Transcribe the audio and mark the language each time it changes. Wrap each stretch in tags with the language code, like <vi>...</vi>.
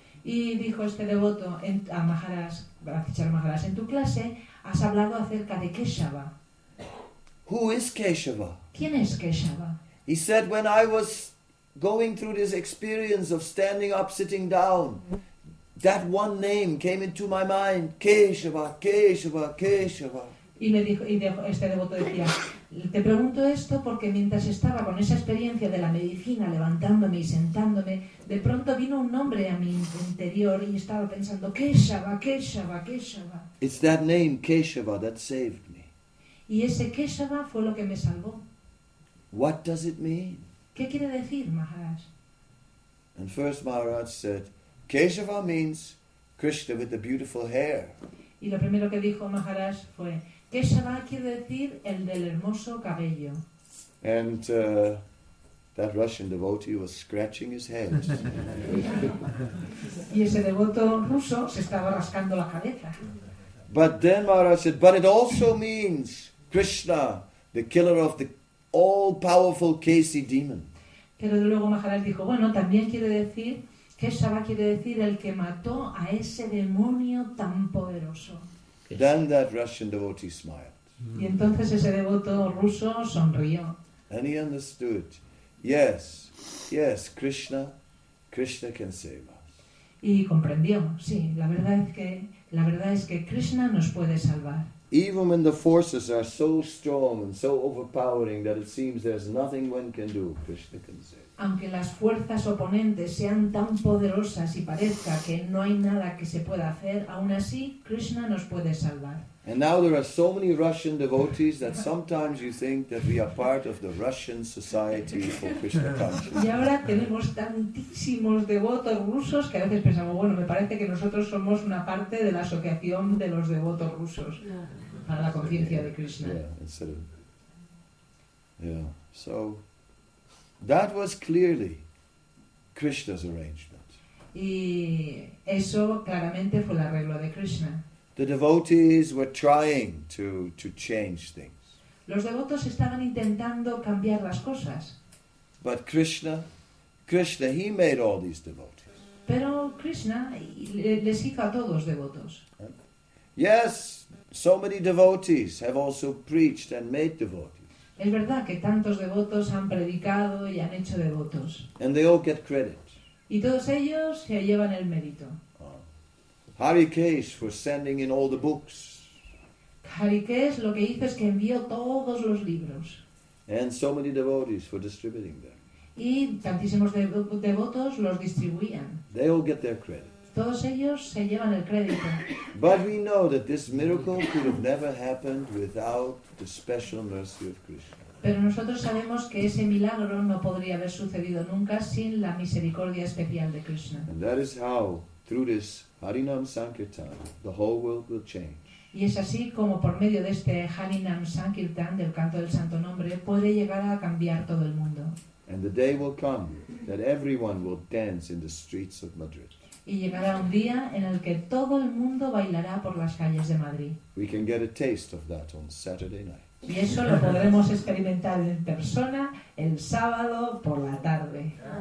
<es>Y dijo este devoto a Maharaj, Bhakti Charu Maharaj, en tu clase has hablado acerca de Keshava.</es> <en>Who is Keshava?</en> <es>¿Quién es Keshava?</es> <en>He said, when I was going through this experience of standing up, sitting down, that one name came into my mind, Keshava, Keshava, Keshava.</en> <es>Y le dijo, y este devoto decía, te pregunto esto porque mientras estaba con esa experiencia de la medicina, levantándome y sentándome, de pronto vino un nombre a mi interior y estaba pensando, Keshava, Keshava, Keshava.</es> <en>It's that name, Keshava, that saved me.</en> <es>Y ese Keshava fue lo que me salvó.</es> <en>What does it mean?</en> <es>¿Qué quiere decir, Maharaj?</es> <en>And first Maharaj said, Keshava means Krishna with the beautiful hair.</en> <es>Y lo primero que dijo Maharaj fue, Keshava quiere decir el del hermoso cabello.</es> <en>And that Russian devotee was scratching his head.</en> <es>Y ese devoto ruso se estaba rascando la cabeza.</es> <en>But then Maharaj said, but it also means Krishna, the killer of the all-powerful Kesi demon.</en> <es>Pero luego Maharaj dijo, bueno, también quiere decir, Keshava quiere decir el que mató a ese demonio tan poderoso.</es> <en>Then that Russian devotee smiled.</en> <es>Y entonces ese devoto ruso sonrió.</es> <en>And he understood. Yes, yes, Krishna, Krishna can save us.</en> <es>Y comprendió, sí, la verdad es que Krishna nos puede salvar.</es> <en>Even when the forces are so strong and so overpowering that it seems there's nothing one can do, Krishna can save.</en> <es>Aunque las fuerzas oponentes sean tan poderosas y parezca que no hay nada que se pueda hacer, aún así Krishna nos puede salvar.</es> <en>And now there are so many Russian devotees that sometimes you think that we are part of the Russian Society for Krishna Consciousness.</en> <es>Y ahora tenemos tantísimos devotos rusos que a veces pensamos, bueno, me parece que nosotros somos una parte de la asociación de los devotos rusos para la conciencia de Krishna.</es> <en>Yeah, so that was clearly Krishna's arrangement.</en> <es>Y eso claramente fue el arreglo de Krishna.</es> <en>The devotees were trying to change things.</en> <es>Los devotos estaban intentando cambiar las cosas.</es> <en>But Krishna, he made all these devotees.</en> <es>Pero Krishna les hizo a todos devotos.</es> <en>Yes, so many devotees have also preached and made devotees.</en> <es>Es verdad que tantos devotos han predicado y han hecho devotos.</es> <en>And they all get credit.</en> <es>Y todos ellos se llevan el mérito.</es> <en>Harikesh for sending in all the books.</en> <es>Harikesh lo que hizo es que envió todos los libros.</es> <en>And so many devotees for distributing them.</en> <es>Y tantísimos devotos los distribuían.</es> <en>They all get their credit.</en> <es>Todos ellos se llevan el crédito.</es> <en>But we know that this miracle could have never happened without the special mercy of Krishna.</en> <es>Pero nosotros sabemos que ese milagro no podría haber sucedido nunca sin la misericordia especial de Krishna.</es> <en>And that is how, through this Harinam Sankirtan, the whole world will change.</en> <es>Y es así como por medio de este Harinam Sankirtan, del canto del santo nombre, puede llegar a cambiar todo el mundo.</es> <en>And the day will come that everyone will dance in the streets of Madrid.</en> <es>Y llegará un día en el que todo el mundo bailará por las calles de Madrid.</es> <en>We can get a taste of that on Saturday night.</en> <es>Y eso lo podremos experimentar en persona el sábado por la tarde.</es>